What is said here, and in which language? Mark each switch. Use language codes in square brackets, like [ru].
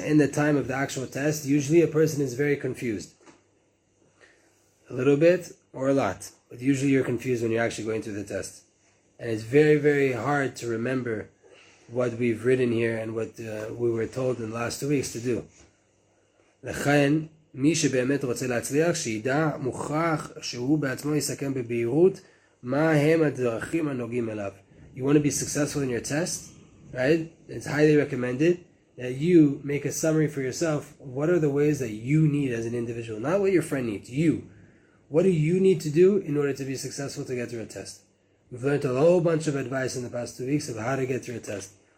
[en] In the time of the actual test, usually a person is very confused. A little bit or a lot. But usually you're confused when you're actually going through the test. And it's very, very hard to remember what we've written here and what we were told in the last 2 weeks to do. [he] לכן, מי שבאמת רוצה להצליח, שידע מוכרח שהוא בעצמו יסכם בבהירות מה הם הדרכים הנוגעים אליו. [en] You want to be successful in your test, right? It's highly recommended that you make a summary for yourself. What are the ways that you need as an individual? Not what your friend needs, you. What do you need to do in order to be successful to get through a test? We've learned a whole bunch of advice in the past 2 weeks of how to get through a test.